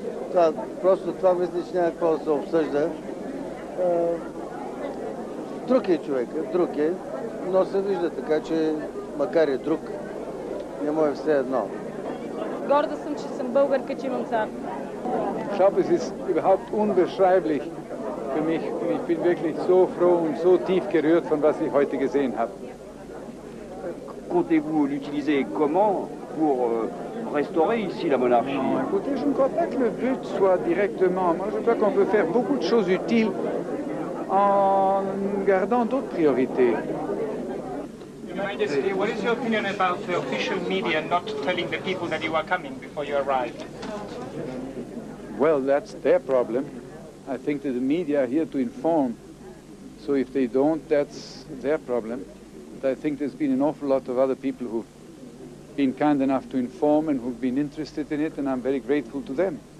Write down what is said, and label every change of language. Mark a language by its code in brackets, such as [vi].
[bg] Това, просто това мисля, че няма какво да се обсъжда. Друг е човек, друг е, но се вижда така, че макар и друг, не му е все едно. Горда съм, че съм българка, че имам цар. [de] Ich glaube, es ist überhaupt unbeschreiblich für mich. Ich bin wirklich so froh und so tief gerührt von was ich heute gesehen habe. [fr] Comptez-vous l'utiliser comment pour restaurer ici la monarchie? Non, écoutez, je ne crois pas que le but soit directement. Moi, je crois qu'on peut faire beaucoup de choses utiles en gardant d'autres priorités. [en] Majesty, what is your opinion about the official media not telling the people that you are coming before you arrive? Well, that's their problem. I think that the media are here to inform. So if they don't, that's their problem. But I think there's been an awful lot of other people who've been kind enough to inform and who've been interested in it, and I'm very grateful to them.